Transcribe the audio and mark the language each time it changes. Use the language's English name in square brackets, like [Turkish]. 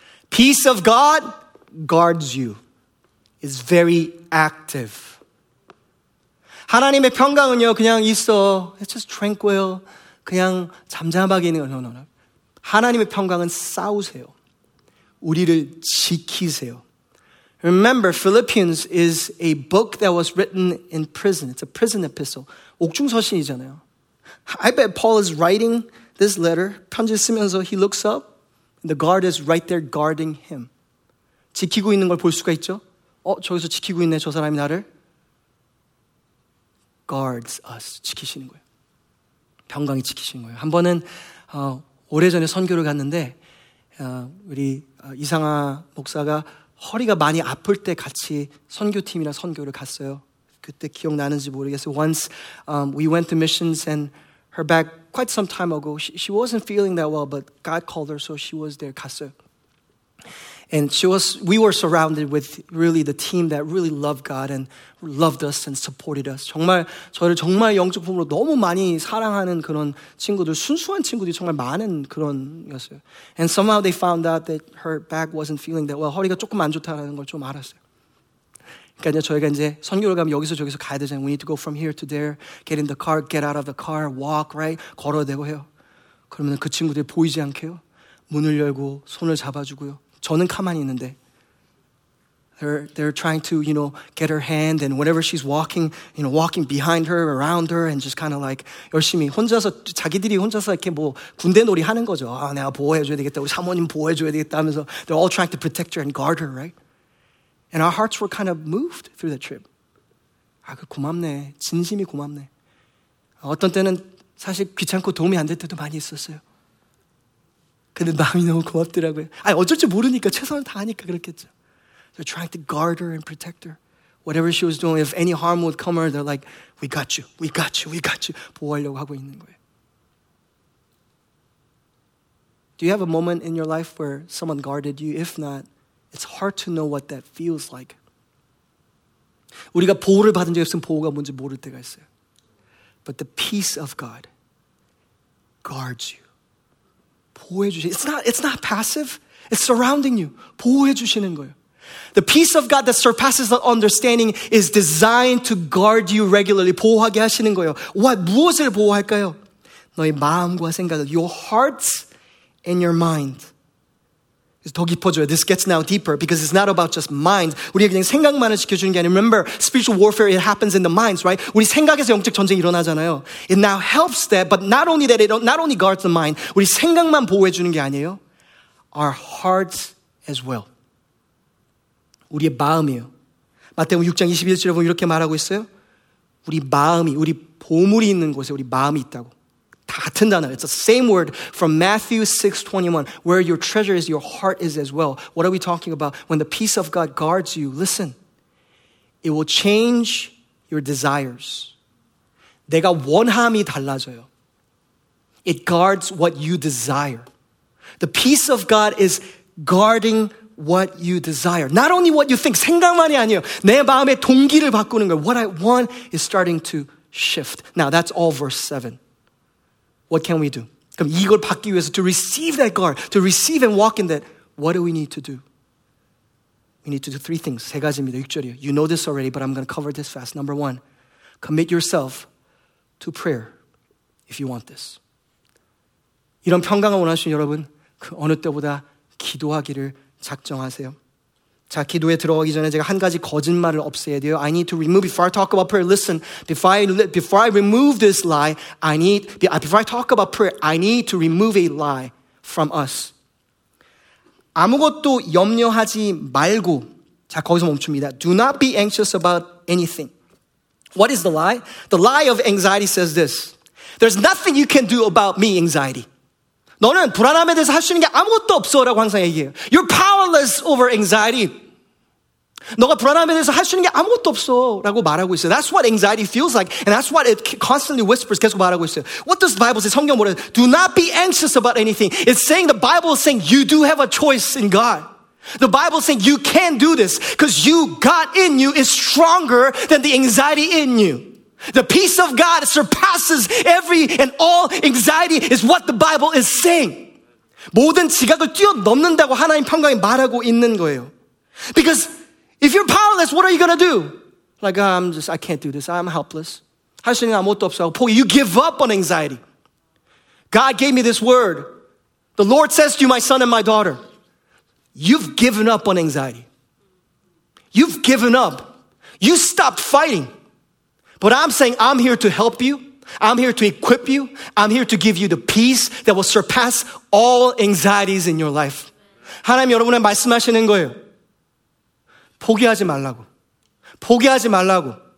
[English] Peace of God guards you. It's very active. [Korean] 하나님의 평강은요, 그냥 있어. [English] It's just tranquil. [Korean] 그냥 잠잠하게 있는 거. [English] No, no, no. [Korean] 하나님의 평강은 싸우세요. 우리를 지키세요. [English] Remember, Philippians is a book that was written in prison. It's a prison epistle. [Korean] 옥중서신이잖아요. [English] I bet Paul is writing this letter. [Korean] 편지 쓰면서 [English] he looks up. And the guard is right there guarding him. [Korean] 지키고 있는 걸 볼 수가 있죠? 저기서 지키고 있네, 저 사람이 나를. [English] Guards us. [Korean] 지키시는 거예요. 평강이 지키시는 거예요. 한 번은 오래전에 선교를 갔는데 우리 이상하 목사가 허리가 많이 아플 때 같이 선교팀이랑 선교를 갔어요. 그때 기억나는지 모르겠어요. [English] Once we went to missions and her back quite some time ago. She wasn't feeling that well, but God called her, so she was there, [Korean] 갔어요. [English] And we were surrounded with really the team that really loved God and loved us and supported us. [Korean] 정말 저를 정말 영적품으로 너무 많이 사랑하는 그런 친구들, 순수한 친구들이 정말 많은 그런이었어요. [English] And somehow they found out that her back wasn't feeling that well. [Korean] 허리가 조금 안 좋다라는 걸 좀 알았어요. 그러니까 이제 저희가 이제 선교를 가면 여기서 저기서 가야 되잖아요. [English] We need to go from here to there, get in the car, get out of the car, walk, right? [Korean] 걸어야 되고 해요. 그러면 그 친구들이 보이지 않게요. 문을 열고 손을 잡아주고요. 저는 가만히 있는데 [English] they're trying to, you know, get her hand and whenever she's walking, you know, walking behind her, around her and just kind of like [Korean] 열심히 혼자서 자기들이 혼자서 이렇게 뭐 군대놀이 하는 거죠. 아, 내가 보호해줘야 되겠다. 우리 사모님 보호해줘야 되겠다 하면서 [English] they're all trying to protect her and guard her, right? And our hearts were kind of moved through the trip. [Korean] 아, 고맙네. 진심이 고맙네. 어떤 때는 사실 귀찮고 도움이 안 될 때도 많이 있었어요. 근데 마음이 너무 고맙더라고요. 아니, 어쩔 줄 모르니까, 최선을 다하니까 그렇겠죠. [English] They're trying to guard her and protect her. Whatever she was doing, if any harm would come her, they're like, we got you, we got you, we got you. [Korean] 보호하려고 하고 있는 거예요. [English] Do you have a moment in your life where someone guarded you? If not, it's hard to know what that feels like. [Korean] 우리가 보호를 받은 적이 없으면 보호가 뭔지 모를 때가 있어요. [English] But the peace of God guards you. [Korean] 보호해 주시는, [English] it's not passive, it's surrounding you. [Korean] 보호해 주시는 거예요. [English] The peace of God that surpasses the understanding is designed to guard you regularly. [Korean] 보호하게 하시는 거예요. What, 무엇을 보호할까요? 너의 마음과 생각을, [English] your heart and your mind. [Korean] 더 깊어져요. [English] This gets now deeper because it's not about just mind. [Korean] 우리가 그냥 생각만을 지켜주는 게 아니라, [English] remember, spiritual warfare, it happens in the minds, right? [Korean] 우리 생각에서 영적 전쟁이 일어나잖아요. [English] It now helps that, but not only that, it not only guards the mind. [Korean] 우리 생각만 보호해주는 게 아니에요. [English] Our hearts as well. [Korean] 우리의 마음이요. 마태복음 6장 21절에 보면 이렇게 말하고 있어요. 우리 마음이, 우리 보물이 있는 곳에 우리 마음이 있다고. 같은 단어. [English] It's the same word from Matthew 6:21. Where your treasure is, your heart is as well. What are we talking about? When the peace of God guards you, listen, it will change your desires. [Korean] 내가 원함이 달라져요. [English] It guards what you desire. The peace of God is guarding what you desire. Not only what you think, [Korean] 생각만이 아니에요. 내 마음의 동기를 바꾸는 거예요. [English] What I want is starting to shift. Now, that's all verse 7. What can we do? [Korean] 그럼 이걸 받기 위해서 [English] to receive that guard, to receive and walk in that, what do we need to do? We need to do three things. [Korean] 세 가지입니다. 6절이요. [English] You know this already, but I'm going to cover this fast. Number one, commit yourself to prayer if you want this. [Korean] 이런 평강을 원하시는 여러분, 그 어느 때보다 기도하기를 작정하세요. 자, 기도에 들어가기 전에 제가 한 가지 거짓말을 없애야 돼요. [English] I need to remove, before I talk about prayer, listen, before I remove this lie, I need, before I talk about prayer, I need to remove a lie from us. [Korean] 아무것도 염려하지 말고, 자, 거기서 멈춥니다. [English] Do not be anxious about anything. What is the lie? The lie of anxiety says this. There's nothing you can do about me, anxiety. [Korean] 너는 불안함에 대해서 할 수 있는 게 아무것도 없어라고 항상 얘기해요. [English] You're powerless over anxiety. [Korean] 너가 불안함에 대해서 할 수 있는 게 아무것도 없어라고 말하고 있어요. [English] That's what anxiety feels like, and that's what it constantly whispers, [Korean] 계속 말하고 있어요. [English] What does the Bible say? [Korean] 성경 뭐래요? [English] Do not be anxious about anything. It's saying, the Bible is saying, you do have a choice in God. The Bible is saying, you can do this, because you, God in you is stronger than the anxiety in you. The peace of God surpasses every and all anxiety is what the Bible is saying. [Korean] 모든 지각을 뛰어넘는다고 하나님 평강이 말하고 있는 거예요. [English] Because if you're powerless, what are you going to do? Like, oh, I can't do this. I'm helpless. [Korean] 할 수 있는 아무것도 없어. [English] You give up on anxiety. God gave me this word. The Lord says to you, my son and my daughter, you've given up on anxiety. You've given up. You stopped fighting. But I'm saying, I'm here to help you. I'm here to equip you. I'm here to give you the peace that will surpass all anxieties in your life. [Korean] 하나님 여러분의 말씀하시는 거예요. 포기하지 말라고. 포기하지 말라고.